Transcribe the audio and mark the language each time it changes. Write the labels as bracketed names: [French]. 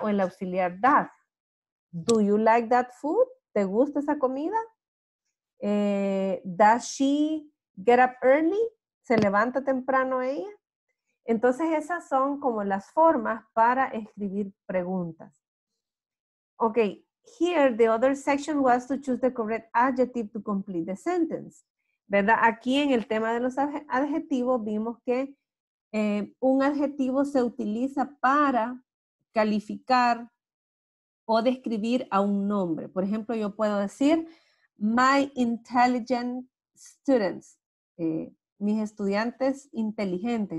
[Spanish] O el auxiliar [English] does. Do you like that food? [Spanish] ¿Te gusta esa comida? [English] Does she get up early? [Spanish] ¿Se levanta temprano ella? Entonces esas son como las formas para escribir preguntas. Ok, [English] here the other section was to choose the correct adjective to complete the sentence. [Spanish] ¿Verdad? Aquí en el tema de los adjetivos vimos que un adjetivo se utiliza para calificar o describir a un nombre. Por ejemplo, yo puedo decir, [English] my intelligent students, [Spanish] mis estudiantes inteligentes.